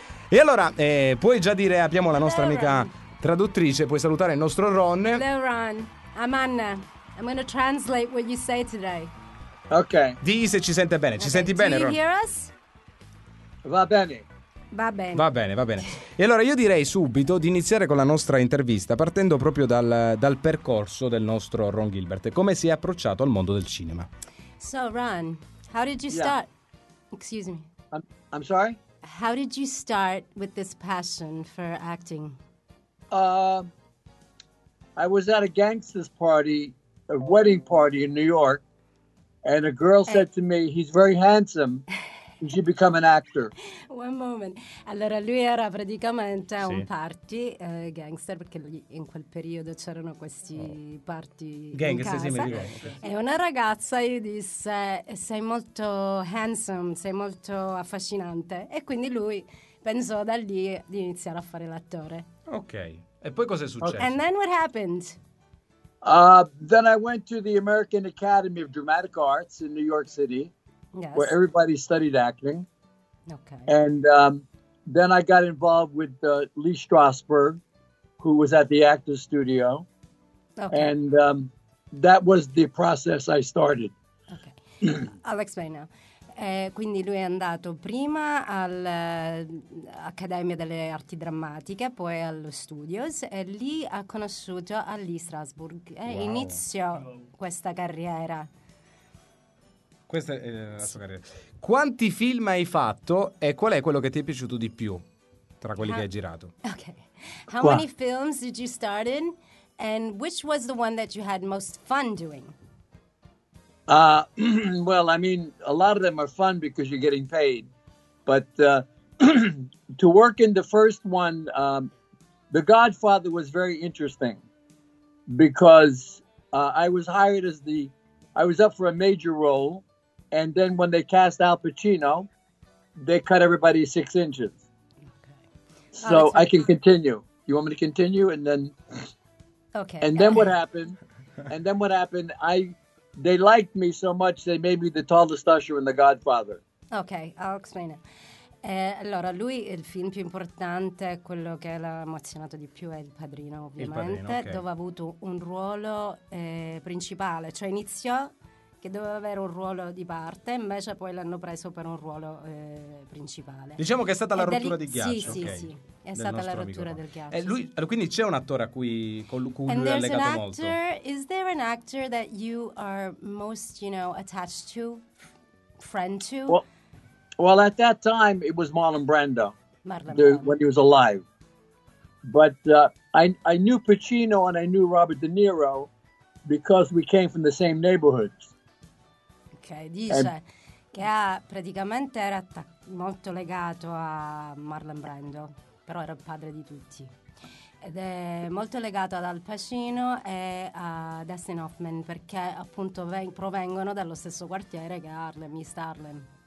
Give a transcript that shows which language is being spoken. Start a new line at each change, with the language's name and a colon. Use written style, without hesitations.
Italian: E allora, puoi già dire, abbiamo la nostra amica traduttrice, puoi salutare il nostro Ron.
English: Hello Ron, I'm Anna. I'm going to translate what you say today. Ok.
Italian: Di se ci sente bene, ci senti bene, Ron?
English: Do you hear us?
Italian: Va bene. Va bene. Va bene, va bene. E allora io direi subito di iniziare con la nostra intervista, partendo proprio dal percorso del nostro Ron Gilbert. Come si è approcciato al mondo del cinema?
English: So Ron, how did you start? Excuse me. I'm sorry? How did you start with this passion for acting? I was at a gangster's party, a wedding party in New York, and a girl said to me, he's very handsome, you should become an actor. One moment.
Italian: Allora, lui era praticamente a un party, gangster, perché in quel periodo c'erano questi party gangster, in casa. E una ragazza gli disse, sei molto handsome, sei molto affascinante. E quindi lui pensò da lì di iniziare a fare l'attore. Ok. E poi cosa è successo?
English: And then what happened? Then I went to the American Academy of Dramatic Arts in New York City. Yes. Where everybody studied acting. Okay. And then I got involved with Lee Strasberg, who was at the Actors Studio. Okay. And that was the process I started. Okay. I'll explain now.
Italian: Quindi lui è andato prima all'Accademia delle Arti Drammatiche, poi allo Studios, e lì ha conosciuto Lee Strasberg e iniziò questa carriera. Questa è la sua carriera. Quanti film hai fatto e qual è quello che ti è piaciuto di più tra quelli che hai girato? Ok.
English: How many films did you start in and which was the one that you had most fun doing? Well, I mean, a lot of them are fun because you're getting paid. But to work in the first one, The Godfather was very interesting because I was up for a major role. And then when they cast Al Pacino, they cut everybody 6 inches. Okay. So I can continue. You want me to continue? And then, okay. And then what happened? And then what happened? They liked me so much, they made me the tallest usher in The Godfather. Ok, I'll explain it.
Italian: Allora, lui, il film più importante, quello che l'ha emozionato di più, è Il Padrino, ovviamente. Il Padrino, okay. Dove ha avuto un ruolo principale, cioè iniziò che doveva avere un ruolo di parte, invece poi l'hanno preso per un ruolo principale. Diciamo che è stata la rottura di ghiaccio. Sì, sì, sì. È stata la rottura del ghiaccio. Lui, quindi c'è un attore a cui con lui è legato
English: an actor,
Italian: molto.
English: Is there an actor that you are most, you know, attached to, friend to? Well, at that time it was Marlon Brando. Marlon Brando. When he was alive. But I knew Pacino and I knew Robert De Niro because we came from the same neighborhoods.
Italian: Ok, dice che praticamente era molto legato a Marlon Brando. Però era il padre di tutti. Ed è molto legato ad Al Pacino e a Dustin Hoffman, perché appunto provengono dallo stesso quartiere che è Harlem, East Harlem.